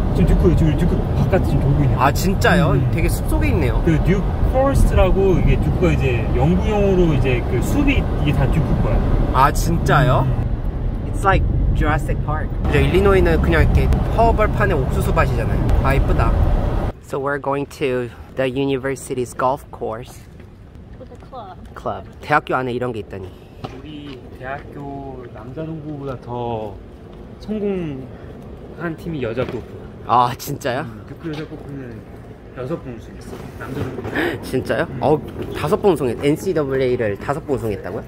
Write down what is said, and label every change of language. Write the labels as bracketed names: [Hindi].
[Korean] 지금 듀크로 지금 듀크 바깥에 지금 돌고 있네요. 아 진짜요? 되게 숲속에 있네요. 그 듀크 포레스트라고 이게 듀크가 이제 영구용으로 이제 그 숲이 이게 다 듀크 거야. 아 진짜요? [English] It's like Jurassic Park. [Korean] 저 일리노이는 그냥 이렇게 허벌판에 옥수수밭이잖아요. 아 이쁘다. [English] So we're going to the university's golf course. With a club. Club. [Korean] 대학교 안에 이런 게 있다니. 우리 대학교 남자 동부보다 더 성공한 팀이 여자 골프. 아 진짜요? 듀크 여자 골프는 여섯 번 우승했어. 남자 골프. 진짜요? 다섯 번 우승했. NCAA를 다섯 번 우승했다고요?